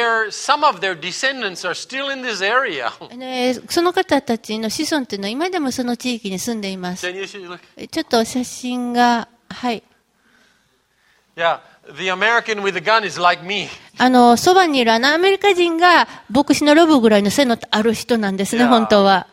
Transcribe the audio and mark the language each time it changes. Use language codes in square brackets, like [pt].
[en] Some of their descendants are still in this area. [ja] その方たちの子孫というのは今でもその地域に住んでいます。ちょっと写真が、はい。 [en] Yeah, the American with a gun is like me. [ja] そばにいるアメリカ人が牧師のロブぐらいの背のある人なんですね、本当は。